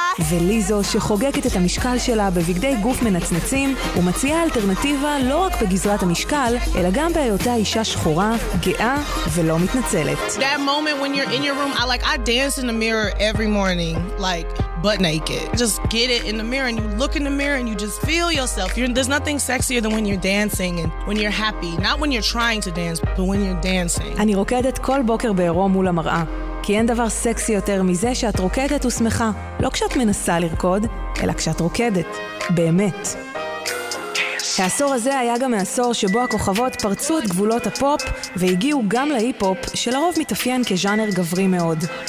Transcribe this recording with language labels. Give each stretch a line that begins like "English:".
Hebrew: וליזו שחוגקת את המשקל שלה בבגדי גוף מנצנצים, ומציעה אלטרנטיבה לא רק בגזרת המשקל, אלא גם בהיותה אישה שחורה, גאה ולא מתנצלת.
English: That moment when you're in your room, I dance in the mirror every morning, butt naked. Just get it in the mirror and you look in the mirror and you just feel yourself. There's nothing sexier than when you're dancing and when you're happy. Not when you're trying to dance, but when you're dancing.
Hebrew: אני רוקדת כל בוקר בעירו מול המראה. כי אין דבר סקסי יותר מזה שאת רוקדת ושמחה. לא כשאת מנסה לרקוד, אלא כשאת רוקדת. באמת. העשור הזה היה גם העשור שבו הכוכבות פרצו את גבולות הפופ והגיעו גם להיפופ, שלרוב מתאפיין כז'אנר גברי מאוד.